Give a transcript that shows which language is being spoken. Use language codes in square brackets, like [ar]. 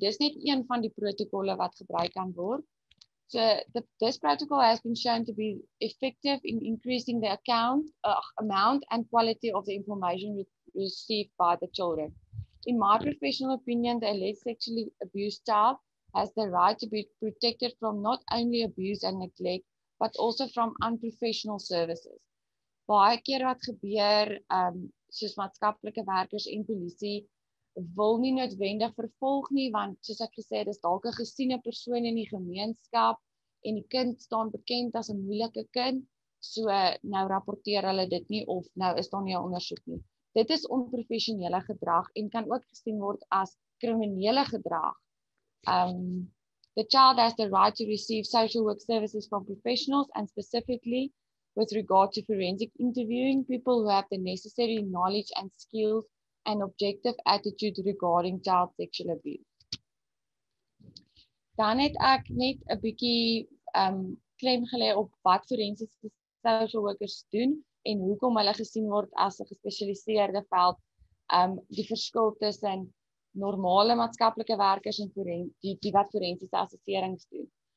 [af] Dis net een van die protokolle wat gebruik kan word. [en] So this protocol has been shown to be effective in increasing the amount and quality of the information received by the children. In my professional opinion, the alleged sexually abused child has the right to be protected from not only abuse and neglect, but also from unprofessional services. [af] Baie keer wat gebeur, soos maatskaplike werkers en polisie, wil nie noodwendig vervolg nie, want soos ek gesê het, is dalk 'n gesiene persoon in die gemeenskap en die kind staan bekend as 'n moeilike kind, so nou rapporteer hulle dit nie of nou is daar nie 'n ondersoek nie. Dit is onprofessionele gedrag en kan ook gesien word as criminele gedrag. [en] The child has the right to receive social work services from professionals and specifically with regard to forensic interviewing people who have the necessary knowledge and skills and objective attitude regarding child sexual abuse. [af] Dan het ek net 'n bietjie klem gelê op wat forensiese [en] social workers [af] doen en hoekom hulle gesien word as 'n gespesialiseerde veld, die verskil tussen normale maatskaplike werkers en die wat forensiese assesserings doen.